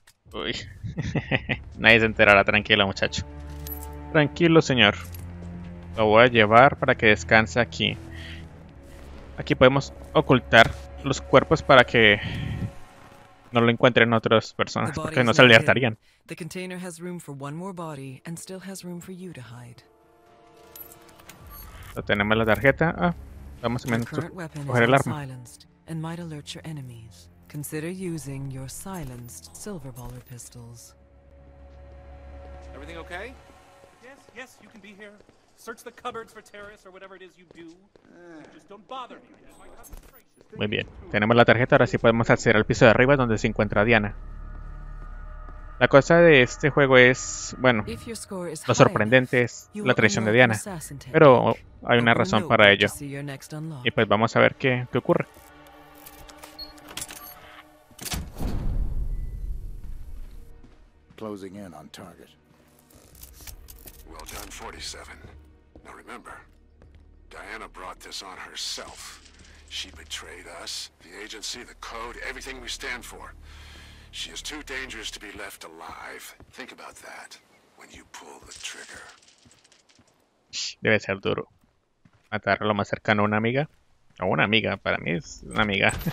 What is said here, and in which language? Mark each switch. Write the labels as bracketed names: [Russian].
[Spanish] Uy, nadie se enterará, tranquilo muchacho. Tranquilo señor. Lo voy a llevar para que descanse aquí. Aquí podemos ocultar los cuerpos para que no lo encuentren otras personas, porque no se alertarían. [English] The container has room for one more body and still has room for you to hide. [Spanish] Lo tenemos la tarjeta. Ah, vamos a coger el arma. [English] Silenced and might alert your enemies. Consider using your silenced silver baller pistols. Everything okay? Yes, yes, you can be here. Search the cupboards for terrorists or whatever it is you do. Just don't bother me. [Spanish] Muy bien. Tenemos la tarjeta, ahora sí podemos acceder al piso de arriba donde se encuentra Diana. La cosa de este juego es, bueno, lo sorprendente es la traición de Diana. Pero hay una razón para ello. Y pues vamos a ver qué ocurre. [English] Closing in on target. Well done, 47. Now remember, Diana brought this on herself. She betrayed us, the agency, the code, everything we stand for. She is too dangerous to be left alive. Think about that when you pull the trigger. [Spanish] Debe ser duro. Matar a lo más cercano a una amiga. O una amiga, para mí es una amiga.